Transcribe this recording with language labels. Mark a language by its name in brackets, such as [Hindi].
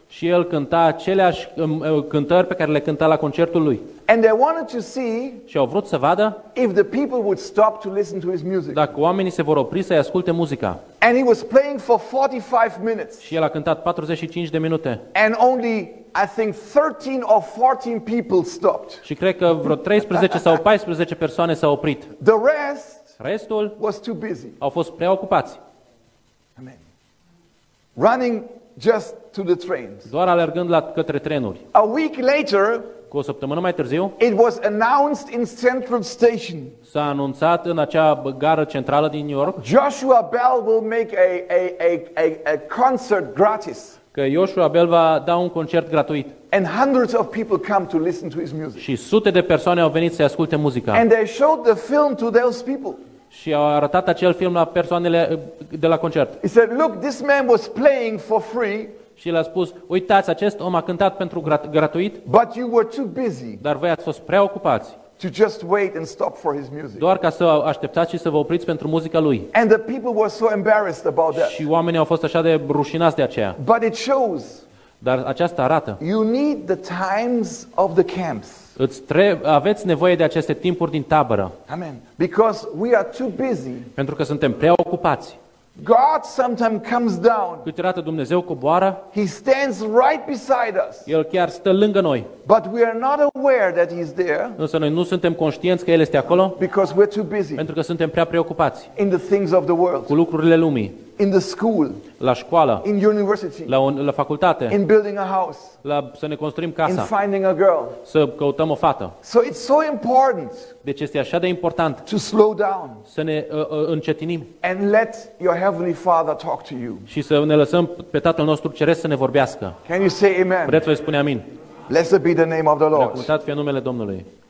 [Romanian] Și el cânta aceleași cântări pe care le cânta la concertul lui. [English] And they wanted to see, [Romanian] și au vrut să vadă, [English] if the people would stop to listen to his music. [Romanian] Dacă oamenii se vor opri să-i asculte muzica. [English] And he was playing for 45 minutes. [Romanian] Și el a cântat 45 de minute. [English] And only I think 13 or 14 people stopped. [Romanian] Și cred că vreo 13 sau 14 persoane s-au oprit. [English] The rest, [Romanian] restul, [English] was too busy. [Romanian] Au fost preocupați. [English] Amen. Running just to the trains. [Romanian] Doar alergând la către trenuri. [English] A week later, [Romanian] cu o săptămână mai târziu, [English] it was announced in Central Station. [Romanian] S-a anunțat în acea gară centrală din New York. [English] Joshua Bell will make a concert gratis. [Romanian] Că Joshua Bell va da un concert gratuit. [English] And hundreds of people come to listen to his music. [Romanian] Și sute de persoane au venit să asculte muzica. [English] And they showed the film to those people. [Romanian] Și au arătat acel film la persoanele de la concert. [English] He said, "Look, this man was playing for free." [Romanian] Și l-a spus, uitați, acest om a cântat pentru gratuit. [English] But you were too busy. [Romanian] Dar voi ați fost preocupați. [English] To just wait and stop for his music. [Romanian] Doar ca să așteptați și să vă opriți pentru muzica lui. [English] And the people were so embarrassed about that. [Romanian] Și oamenii au fost așa de rușinați de aceea. [English] But it shows. [Romanian] Dar aceasta arată. [English] You need the times of the camps. [Romanian] Aveți nevoie de aceste timpuri din tabără. [English] Amen. Because we are too busy. [Romanian] Pentru că suntem preocupați. [English] God sometimes comes down. [Romanian] Câteodată Dumnezeu coboară. [English] He stands right beside us. [Romanian] El chiar stă lângă noi. [English] But we are not aware that he's there. [Romanian] Însă noi nu suntem conștienți că el este acolo. [English] Because we're too busy. [Romanian] Pentru că suntem prea preocupați. [English] In the things of the world. [Romanian] Cu lucrurile lumii. [English] In the school. [Romanian] La școală. [English] In university. [Romanian] La facultate. [English] In building a house. [Romanian] Să ne construim casa. [English] In finding a girl. [Romanian] Să căutăm o fată. [English] So it's so important. [Romanian] Deci este așa de important. [English] To slow down. [Romanian] Să ne încetinim. [English] And let your heavenly Father talk to you. [Romanian] Și să ne lăsăm pe Tatăl nostru Ceresc să ne vorbească. [English] Can you say amen? [Romanian] Vreți să spuneți amin? [English] Blessed be the name of the Lord. [Romanian] Binecuvântat fie numele Domnului.